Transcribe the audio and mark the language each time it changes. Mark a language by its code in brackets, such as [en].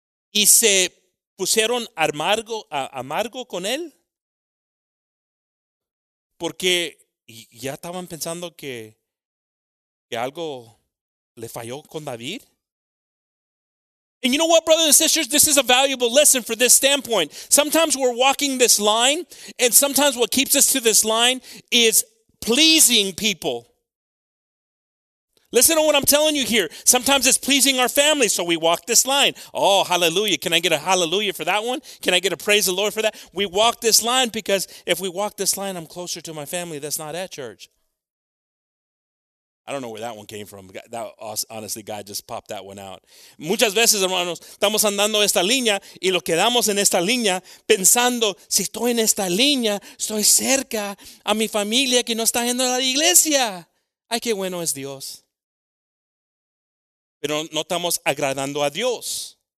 [es] Y se pusieron amargo con él. Porque ya estaban pensando que algo le falló con David. [en] And you know what, brothers and sisters? This is a valuable lesson for this standpoint. Sometimes we're walking this line, and sometimes what keeps us to this line is pleasing people. Listen to what I'm telling you here. Sometimes it's pleasing our family, so we walk this line. Oh, hallelujah. Can I get a hallelujah for that one? Can I get a praise the Lord for that? We walk this line because if we walk this line, I'm closer to my family that's not at church. I don't know where that one came from. That honestly, God just popped that one out. [es] Muchas veces, hermanos, estamos andando esta línea y lo quedamos en esta línea pensando, si estoy en esta línea, estoy cerca a mi familia que no está yendo a la iglesia. Ay, qué bueno es Dios. Pero no estamos agradando a Dios.